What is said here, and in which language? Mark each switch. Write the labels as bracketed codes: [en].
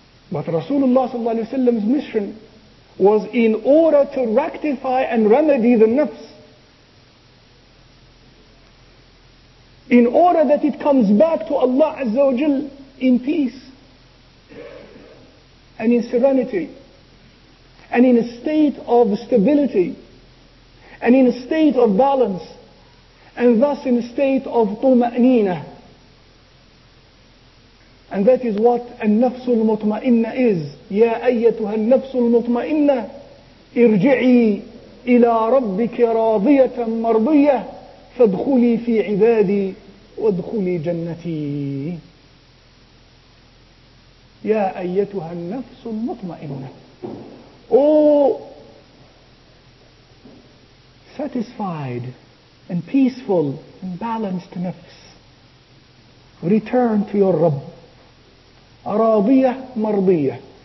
[en] But Rasulullah sallallahu alaihi wasallam's mission was in order to rectify and remedy the nafs, in order that it comes back to Allah azza wa jal in peace and in serenity and in a state of stability and in a state of balance, and thus in a state of tuma'nina. And that is what [ar] النفس المطمئنة [en] is. [ar] يا أيتها النفس المطمئنة ارجعي إلى ربك راضية مرضية فادخلي في عبادي وادخلي جنتي. يا أيتها النفس المطمئنة. [en] Oh, satisfied and peaceful and balanced nafs, return to your Rabb. [ar] راضية مرضية.